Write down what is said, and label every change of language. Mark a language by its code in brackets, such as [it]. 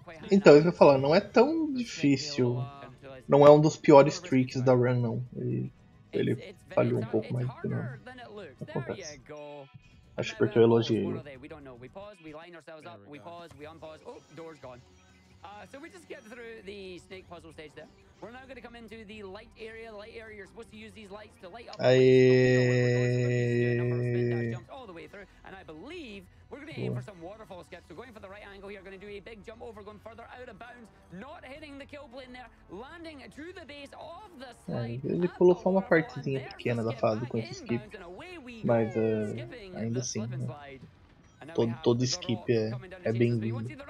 [pt] Então, eu ia falar, não é tão difícil. Não é um dos piores tricks da run, não. Ele falhou um pouco mais do que não. Acontece. Acho que porque eu elogiei. [en] We don't know. We pause, we line ourselves up, we pause, we unpause. Oh, door's gone. So we just get through the snake puzzle stage there. We're now going to come into the light area. The light area, you're supposed to use these lights to light up. All the way through. And I believe we're going to aim for some waterfall skips. So going for the right angle here, going to do a big jump over, going further out of bounds, not hitting the kill plane there, landing to the base of the slide. [pt] Ele pulou só uma partezinha pequena da fase com esse skip. Mas ainda assim, né? Todo skip é bem-vindo.